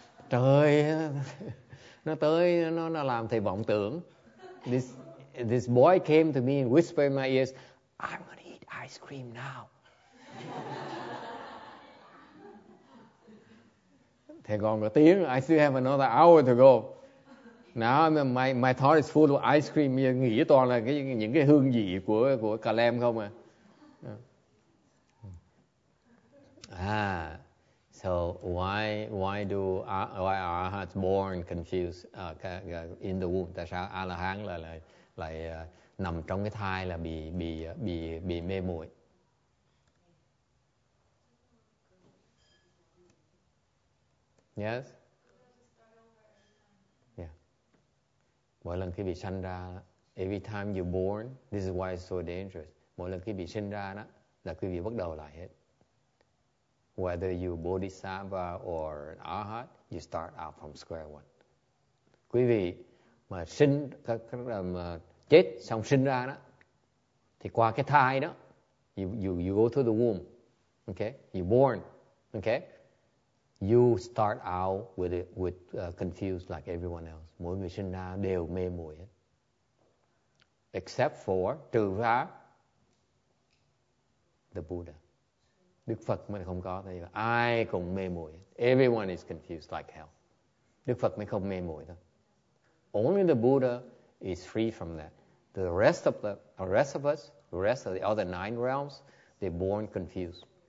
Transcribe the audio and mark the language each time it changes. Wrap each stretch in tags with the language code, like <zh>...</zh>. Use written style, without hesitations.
<vi>Trời, nó tới, nó làm thầy vọng tưởng.</vi> <en>This boy came to me and whispered in my ears, I'm going to eat ice cream now.</en> <vi>Thầy còn có tiếng,</vi> <en>I still have another hour to go. Now my thought is full of ice cream,</en> <vi>nghĩ toàn là những cái hương vị của cà lem không à.</vi> <en>Ah, so why are hearts born confused in the womb?</en> <vi>Tại sao A-la-hán lại nằm trong cái thai là bị mê muội?</vi> <en>Yes. Yeah.</en> <vi>Mỗi lần khi bị sanh ra,</vi> <en>every time you're born, this is why it's so dangerous.</en> <vi>Mỗi lần khi bị sinh ra đó, là quý vị bắt đầu lại hết.</vi> <en>Whether you bodhisattva or arhat, you start out from square one.</en> <vi>Quý vị mà sinh, mà chết xong sinh ra đó, thì qua cái thai đó,</vi> <en>you go through the womb, okay? You born, okay? You start out with confused like everyone else.</en> <vi>Mỗi người sinh ra đều mê muội hết.</vi> <en>Except for,</en> <vi>trừ ra, the Buddha. Đức Phật mới không có. Ai cũng mê muội.</vi> <en>Everyone is confused like hell.</en> <vi>Đức Phật mới không mê muội đâu.</vi> <en>Only the Buddha is free from that. The rest of the other nine realms, they're born confused.</en>